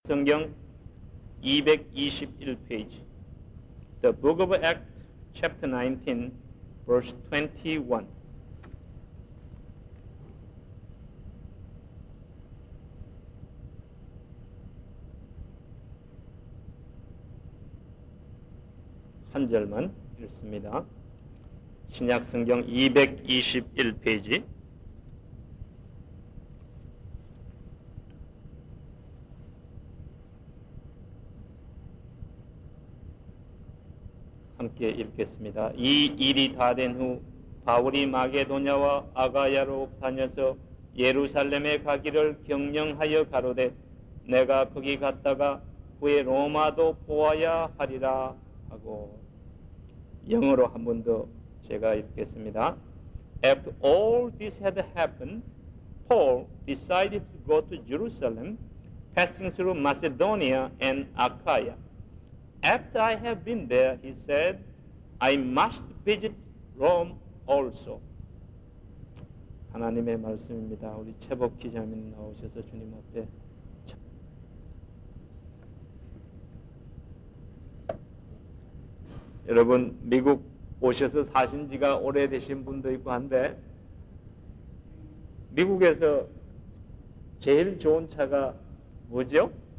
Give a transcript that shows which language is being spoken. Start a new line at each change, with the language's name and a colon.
Korean: 성경 221페이지 The Book of Acts, Chapter 19, Verse 21 한 절만 읽습니다. 신약성경 221페이지 함께 읽겠습니다. 이 일이 다 된 후 바울이 마게도냐와 아가야로 다녀서 예루살렘에 가기를 경령하여 가로되 내가 거기 갔다가 후에 로마도 보아야 하리라 하고 영어로 한 번 더 제가 읽겠습니다.
English: After all this had happened, Paul decided to go to Jerusalem, passing through Macedonia and Achaia. After I have been there, he said, I must visit Rome also.
Korean: 하나님의 말씀입니다. 우리 최복 기자님 나오셔서 주님 앞에 여러분 미국 오셔서 사신 지가 오래되신 분도 있고 한데 미국에서 제일 좋은 차가 뭐죠?